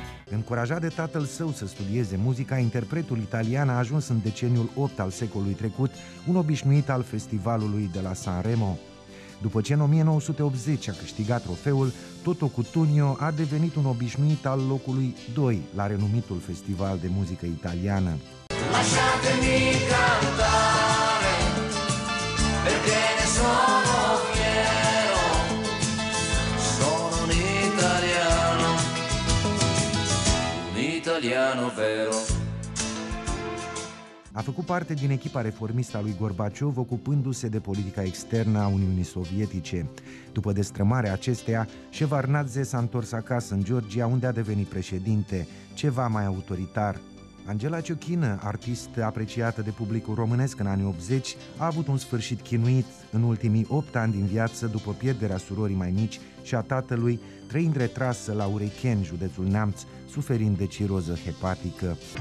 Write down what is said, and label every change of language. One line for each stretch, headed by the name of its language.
Romanian: Încurajat de tatăl său să studieze muzica, interpretul italian a ajuns în deceniul 8 al secolului trecut un obișnuit al festivalului de la San Remo. După ce în 1980 a câștigat trofeul, Toto Cutugno a devenit un obișnuit al locului 2 la renumitul festival de muzică italiană.
Italian: Lasciatemi cantare, perché ne sono fiero, sono un italiano vero.
Romanian: A făcut parte din echipa reformistă a lui Gorbaciov, ocupându-se de politica externă a Uniunii Sovietice. După destrămarea acesteia, Shevardnadze s-a întors acasă în Georgia, unde a devenit președinte, ceva mai autoritar. Angela Ciochină, artistă apreciată de publicul românesc în anii 80, a avut un sfârșit chinuit în ultimii 8 ani din viață, după pierderea surorii mai mici și a tatălui, trăind retrasă la Urecheni, județul Neamț, suferind de ciroză hepatică.